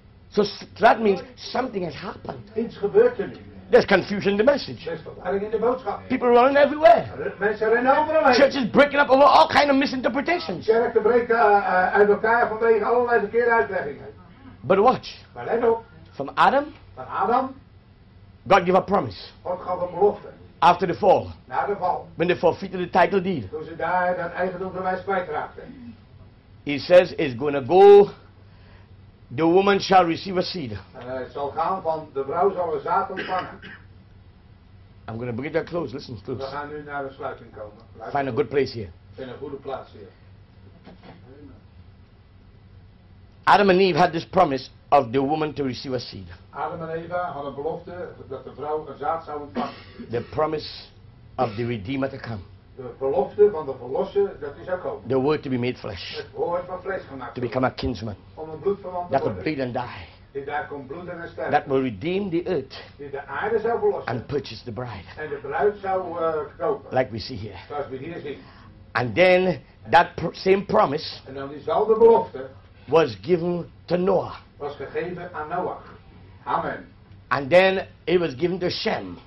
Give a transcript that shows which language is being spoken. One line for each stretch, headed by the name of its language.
English: So that means something has happened.
Dutch: Iets gebeurt
English: to me. There's confusion in the message. In the boodschap. People running everywhere.
Dutch: Mensen rennen overal.
English: Churches breaking up over all kind of misinterpretations.
Dutch: Kerken breken uit elkaar vanwege allerlei verkeerde uitleggingen.
English: But watch.
Dutch: Maar let op.
English: From Adam.
Dutch: Van Adam.
English: God gave a promise.
Dutch: God gaf een belofte.
English: After the fall.
Dutch: Na de val.
English: When they forfeited the title deed.
Dutch: Toen ze daar dat eigendomsbewijs kwijtraakten.
English: He says it's going to go. The woman shall receive a seed.
Dutch: Het zal gaan van de vrouw zal een zaad ontvangen.
English: I'm going to bring that close. Listen close.
Dutch: We gaan nu naar de sluiting komen. Luister.
English: Find a good place here.
Dutch: Vind een goede plaats hier.
English: Adam and Eve had this promise of the woman to receive a seed.
Dutch: Adam en Eva hadden belofte dat de vrouw een zaad zou ontvangen.
English: The promise of the Redeemer to come.
Dutch: De belofte van de verlosser dat hij zou komen.
English: The word to be made flesh.
Dutch: Het woord van vlees gemaakt.
English: To become a kinsman.
Dutch: Om een bloedverwant te worden.
English: That will bleed and die.
Dutch: Die daar kon bloeden en sterven.
English: That will redeem the earth.
Dutch: Die de aarde zou verlossen.
English: And purchase the bride.
Dutch: En de bruid zou kopen.
English: Like we see here.
Dutch: Zoals we hier zien.
English: And then that same promise.
Dutch: En dan diezelfde belofte.
English: Was given to Noah.
Dutch: Was gegeven aan Noah. Amen.
English: And then it was given to Shem.